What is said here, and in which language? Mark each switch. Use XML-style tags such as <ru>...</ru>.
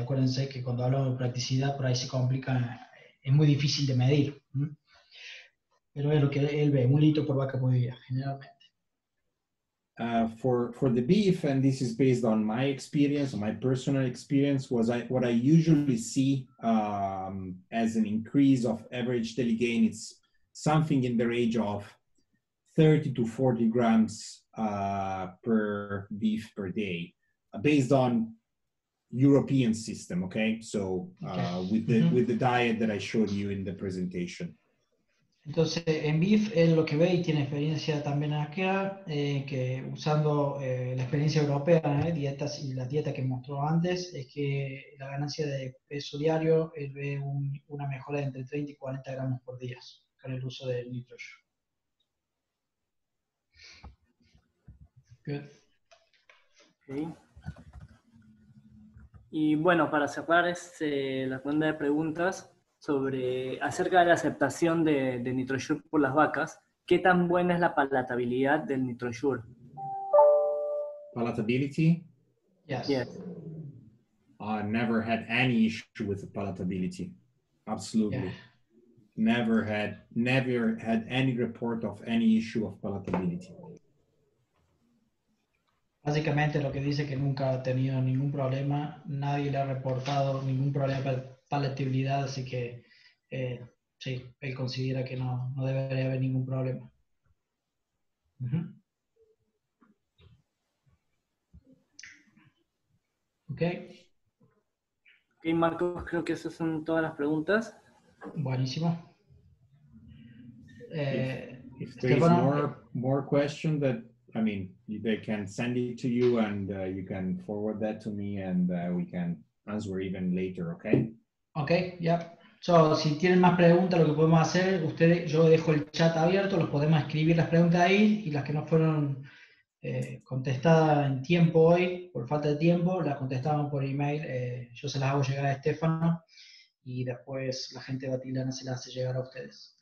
<es>Acuérdense que cuando hablamos de practicidad por ahí se complica, es muy difícil de medir. Pero es lo que él ve, 1 litro por vaca por día, generalmente.</es> <en>For the beef, and this is based on my experience, my personal experience, what I usually see as an increase of average daily gain, it's something in the range of 30 to 40 grams per beef per day, based on European system, okay? So with the diet that I showed you in the presentation.</en> <es>Entonces, en beef, él lo que ve y tiene experiencia también acá, que usando la experiencia europea, dietas y la dieta que mostró antes, es que la ganancia de peso diario, él ve una mejora de entre 30 y 40 gramos por día con el uso del NitroSure. Okay. Y bueno, para cerrar la ronda de preguntas, acerca de la aceptación de NitroSure por las vacas, ¿qué tan buena es la palatabilidad del NitroSure?</es> <en>Palatability? Yes. I never had any issue with the palatability. Absolutely. Yeah. Never had any report of any issue of palatability.</en> <es>Básicamente lo que dice que nunca ha tenido ningún problema, nadie le ha reportado ningún problema de palatabilidad, así que sí, él considera que no debería haber ningún problema. Ok. Ok, Marco, creo que esas son todas las preguntas. Buenísimo.</es> <en>If there is more question that, I mean, they can send it to you and you can forward that to me and we can answer even later, ok? Ok, yep.</en> <es>So, si tienen más preguntas, lo que podemos hacer, ustedes, yo dejo el chat abierto, los podemos escribir las preguntas ahí y las que no fueron contestadas en tiempo hoy, por falta de tiempo, las contestamos por email, yo se las hago llegar a Estefano y después la gente batilana se las hace llegar a ustedes.</es>